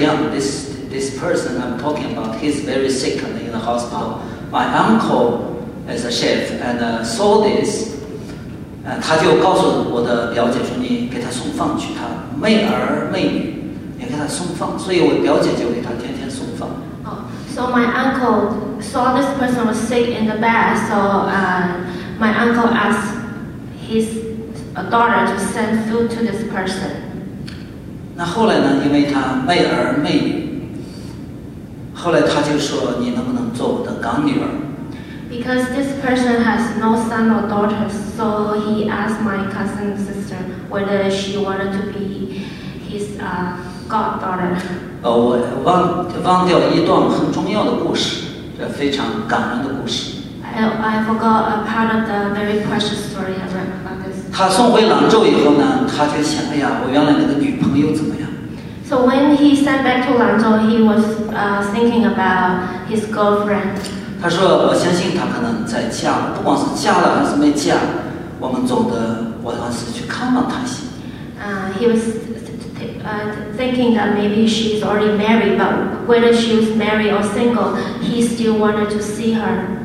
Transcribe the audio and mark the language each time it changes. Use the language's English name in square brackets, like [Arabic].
[English] Yang, this person I'm talking about, he's very sick in the hospital. My uncle is a chef and saw this, [Chinese] 他就告诉我的表姐说，你给他送饭去，他妹儿妹女，你给他送饭，所以我表姐就给他天天送饭。 [English] So my uncle saw this person was sick in the bed, so my uncle asked his daughter to send food to this person. [Chinese] 那后来呢，因为他妹儿妹女，后来他就说，你能不能做我的干女儿？ [English] Because this person has no son or daughter, so he asked my cousin sister whether she wanted to be his goddaughter. [Chinese] 我忘掉一段很重要的故事，这非常感人的故事。 [English] I forgot a part of the very precious story I read about this. [Chinese] 他送回兰州以后呢，他就想，哎呀，我原来那个女朋友怎么样 [English] ？So when he sent back to Lanzhou, he was thinking about his girlfriend. [Chinese] 他说，我相信他可能在嫁，不管是嫁了还是没嫁，我们走的，我还是去看望他些。 [English] He was. Thinking that maybe she's already married, but whether she was married or single, he still wanted to see her.